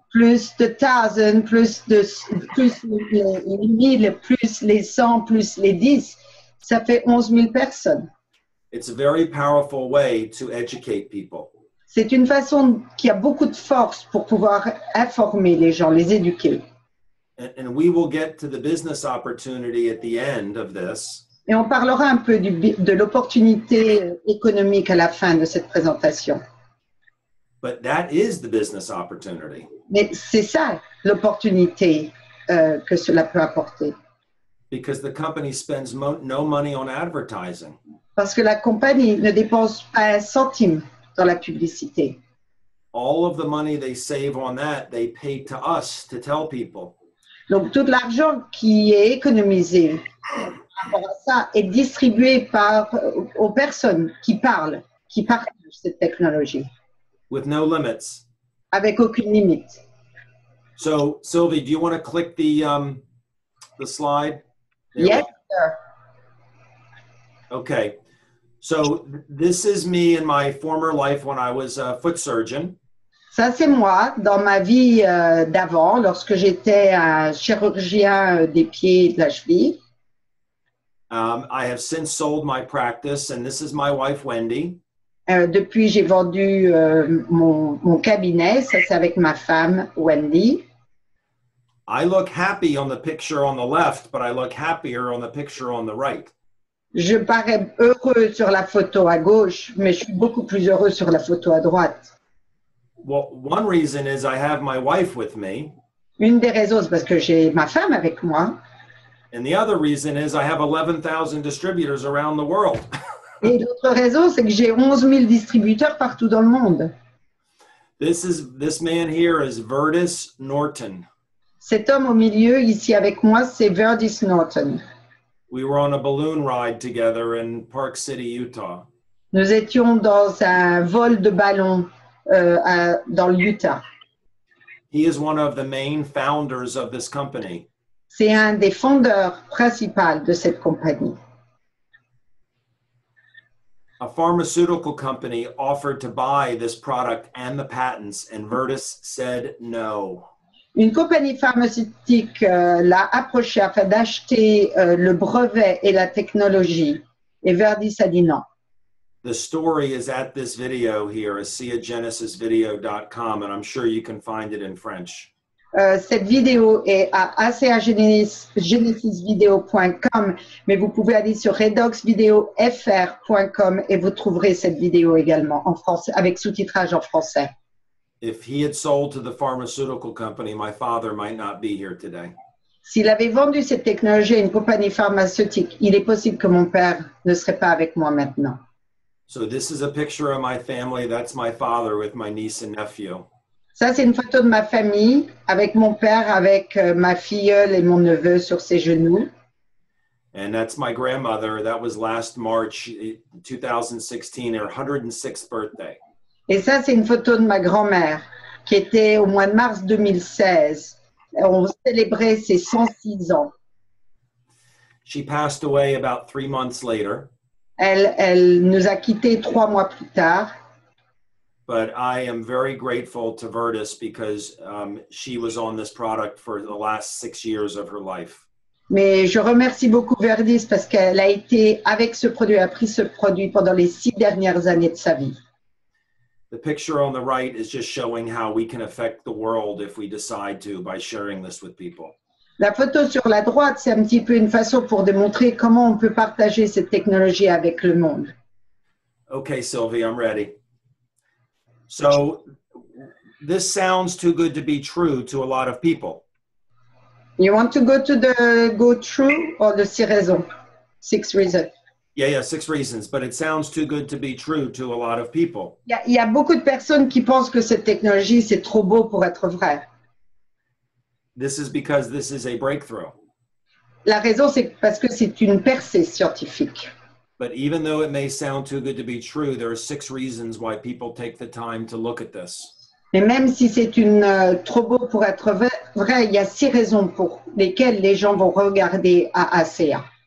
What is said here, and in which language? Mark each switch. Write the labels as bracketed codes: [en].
[fr] Plus de 1,000, plus les 1,000, plus les 100, plus les 10. Ça fait 11,000 personnes. [en] It's a very powerful way to educate people. [fr] C'est une façon qui a beaucoup de force pour pouvoir informer les gens, les éduquer. [en] And we will get to the business opportunity at the end of this. [fr] Et on parlera un peu de l'opportunité économique à la fin de cette présentation. [en] But that is the business opportunity. [fr] Mais c'est ça l'opportunité que cela peut apporter. [en] Because the company spends no money on advertising. [fr] Parce que la compagnie ne dépense pas un centime dans la publicité. [en] All of the money they save on that, they pay to us to tell people. [fr] Donc tout l'argent qui est économisé par ça est distribué aux personnes qui partagent cette technologie. [en] With no limits. [fr] Avec aucune limite. [en] So, Sylvie, do you want to click the slide? There yes, we. Sir. Okay. So this is me in my former life when I was a foot surgeon. [fr] Ça, c'est moi dans ma vie d'avant, lorsque j'étais un chirurgien des pieds et de la cheville. [en] I have since sold my practice, and this is my wife, Wendy. [fr] Depuis, j'ai vendu mon cabinet. Ça, c'est avec ma femme, Wendy. [en] I look happy on the picture on the left, but I look happier on the picture on the right. [fr] Je parais heureux sur la photo à gauche, mais je suis beaucoup plus heureux sur la photo à droite. [en] Well, one reason is I have my wife with me. [fr] Une des raisons, c'est parce que j'ai ma femme avec moi. [en] And the other reason is I have 11,000 distributors around the world. [fr] Et l'autre raison, c'est que j'ai 11,000 distributeurs partout dans le monde. [en] This man here is Virtus Norton. [fr] Cet homme au milieu, ici avec moi, c'est Virtus Norton. [en] We were on a balloon ride together in Park City, Utah. [fr] Nous étions dans un vol de ballon dans l'Utah. [en] He is one of the main founders of this company. [fr] C'est un des fondateurs principaux de cette compagnie. [en] A pharmaceutical company offered to buy this product and the patents, and Virtus said no. [fr] Une compagnie pharmaceutique l'a approché afin d'acheter le brevet et la technologie, et Virtus a dit non. [en] The story is at this video here, aseagenesisvideo.com, and I'm sure you can find it in French. [fr] Cette vidéo est à aseagenesisvideo.com, mais vous pouvez aller sur redoxvideo.fr.com et vous trouverez cette vidéo également en français, avec sous-titrage en français. [en] If he had sold to the pharmaceutical company, my father might not be here today. [fr] S'il avait vendu cette technologie à une compagnie pharmaceutique, il est possible que mon père ne serait pas avec moi maintenant. [en] So this is a picture of my family. That's my father with my niece and nephew. [fr] Ça, c'est une photo de ma famille avec mon père, avec ma filleule et mon neveu sur ses genoux. [en] And that's my grandmother. That was last March 2016, her 106th birthday. [fr] Et ça, c'est une photo de ma grand-mère qui était au mois de mars 2016. On célébrait ses 106 ans. [en] She passed away about 3 months later. [fr] Elle nous a quittés 3 mois plus tard. [en] But I am very grateful to Virtus because she was on this product for the last 6 years of her life. [fr] Mais je remercie beaucoup Virtus parce qu'elle a été avec ce produit, a pris ce produit pendant les 6 dernières années de sa vie. [en] The picture on the right is just showing how we can affect the world if we decide to by sharing this with people. [fr] La photo sur la droite, c'est un petit peu une façon pour démontrer comment on peut partager cette technologie avec le monde. [en] Okay, Sylvie, I'm ready. So, this sounds too good to be true to a lot of people. You want to go to the go true or the six reasons? Six reasons. Yeah, six reasons, but it sounds too good to be true to a lot of people. [fr] Il y a beaucoup de personnes qui pensent que cette technologie, c'est trop beau pour être vrai. [en] This is because this is a breakthrough. [fr] La raison, c'est parce que c'est une percée scientifique. [en] But even though it may sound too good to be true, there are six reasons why people take the time to look at this. [fr] Et même si c'est une trop beau pour être vrai, il y a six raisons pour lesquelles les gens vont regarder à ASEA.